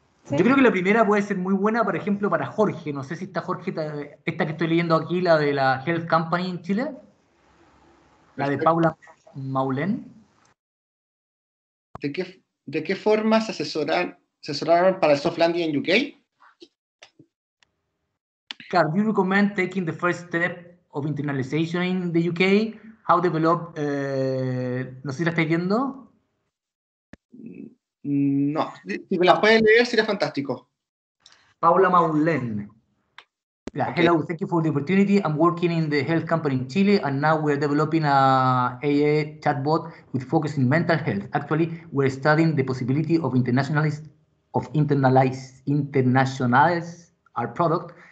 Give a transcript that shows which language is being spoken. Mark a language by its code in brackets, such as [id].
[es] Yo creo que la primera puede ser muy buena, por ejemplo, para Jorge. No sé si está Jorge, esta que estoy leyendo aquí, la de la Health Company en Chile. La de Paula Maulén. ¿De qué forma se asesoraron para el soft landing en UK? [en] Can you recommend taking the first step of internationalization in the UK? How develop... [es] no sé si la estáis viendo. No, si me la puedes leer sería fantástico. [en] Paula Maulén. Yeah, hello, thank you for the opportunity. I'm working in the health company in Chile, and now we're developing a AI chatbot with focus in mental health. Actually, we're studying the possibility of internationalize our product.